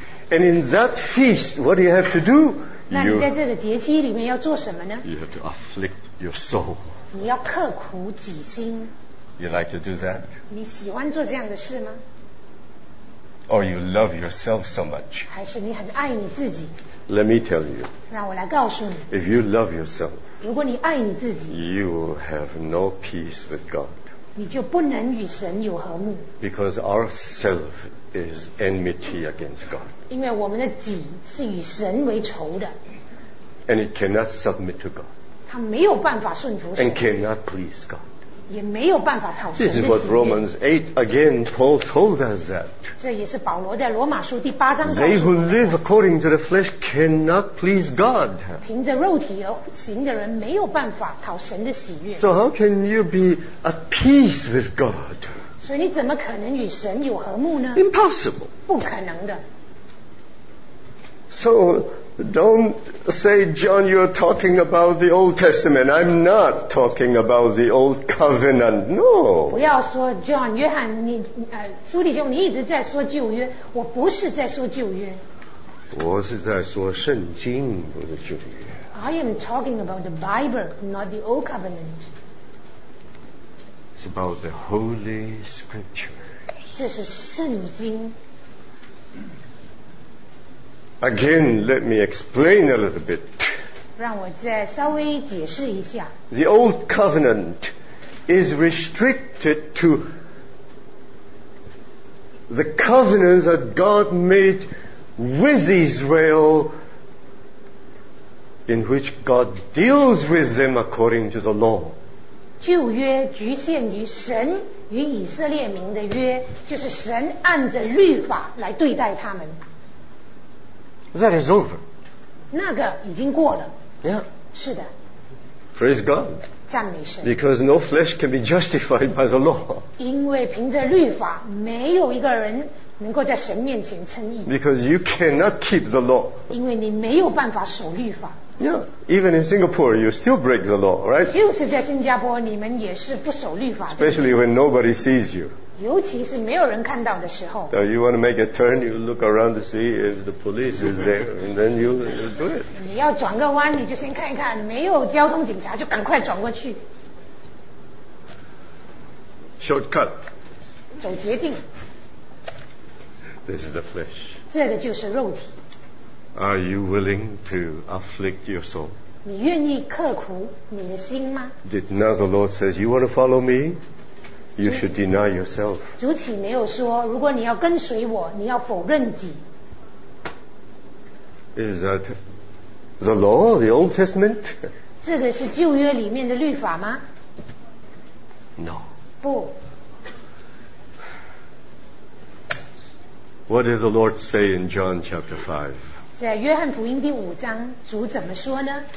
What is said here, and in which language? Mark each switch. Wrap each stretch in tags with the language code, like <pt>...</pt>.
<en>And in that feast, what do you have to do?</en> <zh>那你在这个节期里面要做什么呢？</zh> <en>You have to afflict your soul.</en> <zh>你要刻苦己心。</zh> <en>You like to do that?</en> <zh>你喜欢做这样的事吗？</zh> <en>Or you love yourself so much?</en> <zh>还是你很爱你自己？</zh> <en>Let me tell you.</en> <zh>让我来告诉你。</zh> <en>If you love yourself,</en> <zh>如果你爱你自己，</zh> <en>you have no peace with God.</en> <zh>你就不能与神有和睦。</zh> <en>Because our self is enmity against God.</en> <zh>因为我们的己是与神为仇的。</zh> <en>And it cannot submit to God.</en> <zh>它没有办法顺服神。</zh> <en>And cannot please God.</en> <zh>也没有办法讨神的喜悦。</zh> <en>This is what Romans 8 again Paul told us that.</en> <zh>这也是保罗在罗马书第八章告诉我们。</zh> <en>They who live according to the flesh cannot please God.</en> <zh>凭着肉体而行的人没有办法讨神的喜悦。</zh> <en>So how can you be at peace with God?</en> <zh>所以你怎么可能与神有和睦呢？</zh> <en>Impossible.</en> <zh>不可能的。</zh> <en>So don't say, John, you're talking about the Old Testament. I'm not talking about the Old Covenant. No.</en> <zh>不要说 John, 约翰，你苏弟兄，你一直在说旧约。我不是在说旧约。我是在说圣经，不是旧约。</zh> <en>I am talking about the Bible, not the Old Covenant. It's about the Holy Scripture.</en> <zh>这是圣经。</zh> <en>Again, let me explain a little bit.</en> <zh>让我再稍微解释一下。</zh> <en>The Old Covenant is restricted to the covenant that God made with Israel, in which God deals with them according to the law.</en> <zh>旧约局限于神与以色列民的约，就是神按着律法来对待他们。</zh> <en>That is over.</en> <zh>那个已经过了。</zh> <en>Yeah.</en> <zh>是的。</zh> <en>Praise God.</en> <zh>赞美神。</zh> <en>Because no flesh can be justified by the law.</en> <zh>因为凭着律法，没有一个人能够在神面前称义。</zh> <en>Because you cannot keep the law.</en> <zh>因为你没有办法守律法。</zh> <en>Yeah. Even in Singapore, you still break the law, right?</en> <zh>就是在新加坡，你们也是不守律法。</zh> <en>Especially when nobody sees you.</en> <zh>尤其是没有人看到的时候。</zh> <en>So you want to make a turn, you look around to see if the police is there, and then you do it.</en> <zh>你要转个弯，你就先看一看，没有交通警察就赶快转过去。</zh> <en>Shortcut.</en> <zh>走捷径。</zh> <en>This is the flesh.</en> <zh>这个就是肉体。</zh> <en>Are you willing to afflict your soul?</en> <zh>你愿意刻苦你的心吗？</zh> <en>Did not the Lord says, you want to follow me? You should deny yourself.</en> <zh>主岂没有说，如果你要跟随我，你要否认己。</zh> <en>Is that the law, the Old Testament?</en> <zh>这个是旧约里面的律法吗？</zh> <en>No.</en> <zh>不。</zh> <en>What did the Lord say in John chapter 5?</en> <zh>在约翰福音第五章，主怎么说呢？</zh>